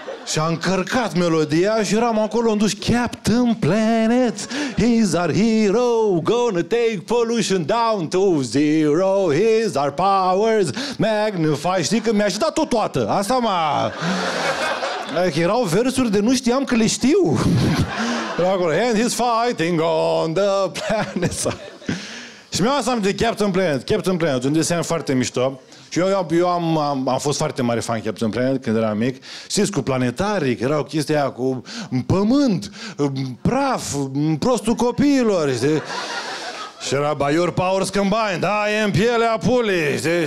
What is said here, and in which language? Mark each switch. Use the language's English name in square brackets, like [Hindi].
[Romanian] Și a încărcat melodia și eram acolo în duș. [English] Captain Planet, he's our hero, gonna take pollution down to zero, he's our powers, magnify. [Romanian] Știi că mi-a ajutat tot toată. Asta m-a... Erau versuri de nu știam că le știu. [English] And he's fighting on the planet. [Romanian] Și mi-am asamblat de Captain Planet, Captain Planet, un desen foarte mișto. Și eu am fost foarte mare fan Captain Planet când eram mic. Știți, cu planetarii, că erau chestia cu pământ, praf, prostul copiilor, știi? Și era [English] by your powers combined, [Romanian] aia în pielea pulii, știi?